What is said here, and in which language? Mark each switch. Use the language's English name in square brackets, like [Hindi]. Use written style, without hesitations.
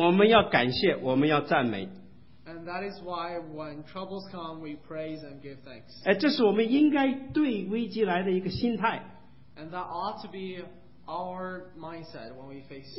[Chinese] 这就是为什么危机来了，困难来了，我们要感谢，我们要赞美。 [English] And that is why when troubles come, we praise and give thanks. [Chinese] 哎，这是我们应该对危机来的一个心态。 [English] And that ought to be our mindset when we face.